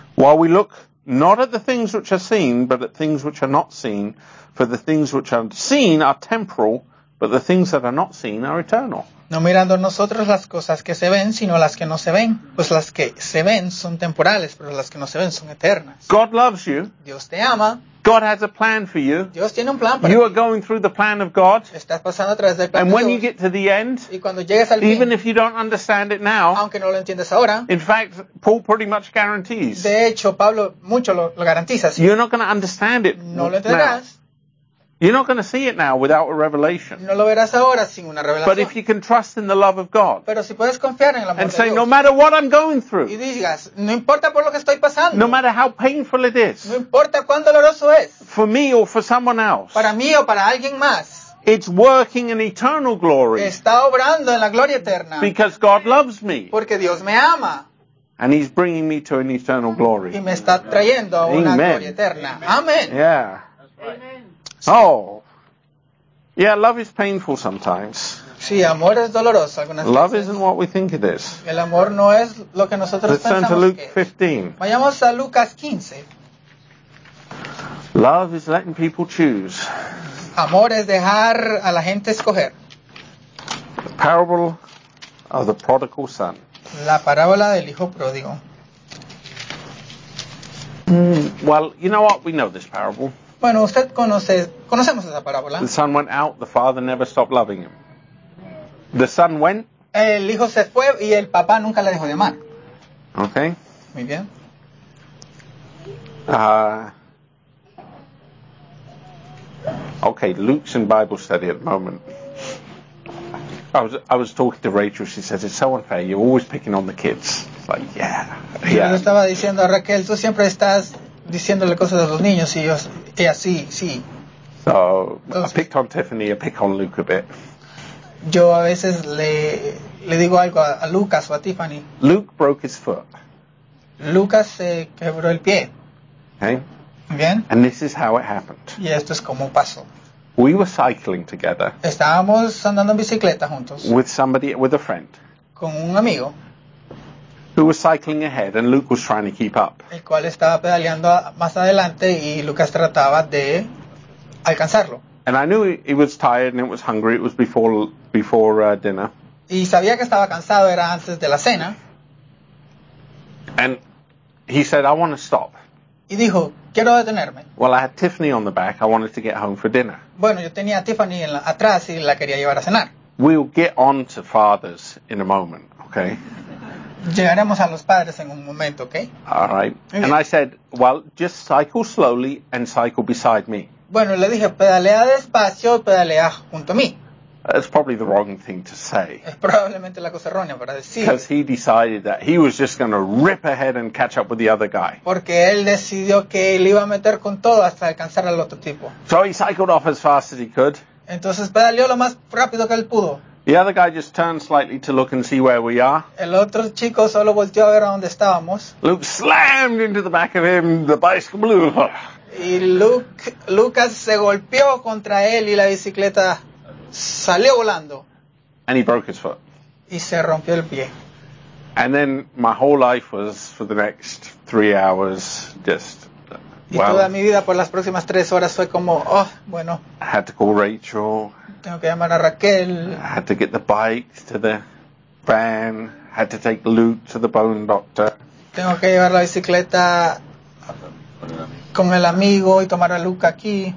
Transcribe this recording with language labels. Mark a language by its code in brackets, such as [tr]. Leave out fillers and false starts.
[en] While we look not at the things which are seen, but at things which are not seen, for the things which are seen are temporal, but the things that are not seen are eternal. [es] No mirando nosotros las cosas que se ven, sino las que no se ven. Pues las que se ven son temporales, pero las que no se ven son eternas. [en] God loves you. [es] Dios te ama. [en] God has a plan for you. [es] Dios tiene un plan para [en] you You are going through the plan of God. [es] Estás pasando a través del plan [en] and [es] de Dios. [en] When you get to the end, [es] y cuando llegues al [en] even [es] fin, [en] if you don't understand it now, [es] aunque no lo entiendes ahora, [en] in fact, Paul pretty much guarantees. [es] De hecho, Pablo mucho lo garantiza. ¿Sí? [en] You're not going to understand it [es] no lo entenderás. [en] Now. You're not going to see it now without a revelation. [es] No lo verás ahora sin una revelación. [en] But if you can trust in the love of God. [es] Pero si puedes confiar en el amor [en] and [es] de [en] say, [es] Dios, [en] no matter what I'm going through. [es] Y digas, no importa por lo que estoy pasando. [en] No matter how painful it is. [es] No importa cuán doloroso es. [en] For me or for someone else. [es] Para mí o para alguien más. [en] It's working in eternal glory. [es] Está obrando en la gloria eterna. [en] Because God loves me. [es] Porque Dios me ama. [en] And he's bringing me to an eternal glory. [es] Y me está trayendo a una amen. Gloria eterna. Amén. [en] Yeah. Oh, yeah, love is painful sometimes. [es] Sí, amor es doloroso algunas veces. [en] Love isn't what we think it is. [es] El amor no es lo que nosotros pensamos. [en] Let's turn to Luke 15. [es] Vayamos a Lucas 15. [en] Love is letting people choose. [es] Amor es dejar a la gente escoger. [en] The parable of the prodigal son. [es] La parábola del hijo pródigo. [en] Well, you know what? We know this parable. [es] Bueno, usted conoce, conocemos esa parábola. [en] The son went out, the father never stopped loving him. The son went. [es] El hijo se fue y el papá nunca le dejó de amar. [en] Okay. [es] Muy bien. [en] Okay, Luke's in Bible study at the moment. I was talking to Rachel. She says it's so unfair. You're always picking on the kids. It's like, yeah. [es] Yo estaba diciendo a Raquel, tú siempre estás diciéndole cosas a los niños y yo, ella sí, sí. [en] So [es] entonces, [en] I picked on Tiffany. I pick on Luke a bit. [es] Yo a veces le digo algo a Lucas o a Tiffany. [en] Luke broke his foot. [es] Lucas se quebró el pie. [en] Okay. [es] Bien. [en] And this is how it happened. [es] Y esto es como pasó. [en] We were cycling together. [es] Estábamos andando en bicicleta juntos. [en] With somebody, with a friend. [es] Con un amigo. [en] Who was cycling ahead and Luke was trying to keep up. [es] El cual estaba pedaleando más adelante y Lucas trataba de alcanzarlo. [en] And I knew he was tired and it was hungry. It was before dinner. [es] Y sabía que estaba cansado, era antes de la cena. [en] And he said, I want to stop. [es] Y dijo, quiero detenerme. [en] Well, I had Tiffany on the back. I wanted to get home for dinner. [es] Bueno, yo tenía a Tiffany atrás y la quería llevar a cenar. [en] We'll get on to fathers in a moment, okay? [es] Llegaremos a los padres en un momento, okay? [en] All right. And I said, well, just cycle slowly and cycle beside me. [es] Bueno, le dije, pedalea despacio, pedalea junto a mí. [en] That's probably the wrong thing to say. [es] Es probablemente la cosa errónea para decir. [en] Because he decided that he was just going to rip ahead and catch up with the other guy. [es] Porque él decidió que él iba a meter con todo hasta alcanzar al otro tipo. [en] So he cycled off as fast as he could. [es] Entonces pedaleó lo más rápido que él pudo. [en] The other guy just turned slightly to look and see where we are. [es] El otro chico solo volteó a ver a dónde estábamos. [en] Luke slammed into the back of him. The bicycle blew up. [es] Y Lucas se golpeó contra él y la bicicleta salió volando. [en] And he broke his foot. [es] Y se rompió el pie. [en] And then my whole life was for the next 3 hours just. [es] Y toda mi vida por las próximas 3 horas fue como, oh, bueno. [en] I had to call Rachel. [es] Tengo que llamar a Raquel. [en] I had to get the bike to the van. I had to take Luke to the bone doctor. [es] Tengo que llevar la bicicleta con el amigo y tomar a Luke aquí.